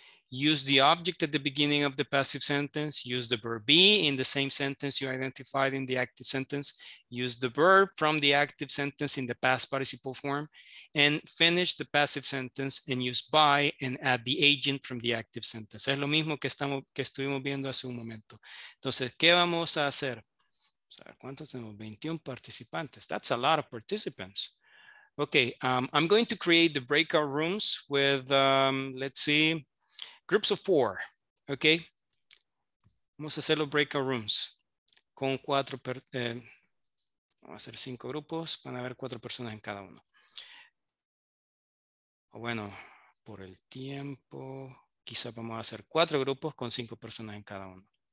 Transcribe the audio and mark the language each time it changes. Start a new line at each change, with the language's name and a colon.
English: Use the object at the beginning of the passive sentence. Use the verb be in the same sentence you identified in the active sentence. Use the verb from the active sentence in the past participle form. And finish the passive sentence and use by and add the agent from the active sentence.
Spanish: Es lo mismo que estuvimos viendo hace un momento. Entonces, ¿qué vamos a hacer? ¿Cuántos tenemos? 21 participantes.
English: That's a lot of participants. Okay, I'm going to create the breakout rooms with, let's see, groups of four, okay?
Spanish: Vamos a hacer los breakout rooms con cuatro, vamos a hacer cinco grupos, van a haber cuatro personas en cada uno. Bueno, por el tiempo, quizás vamos a hacer cuatro grupos con cinco personas en cada uno.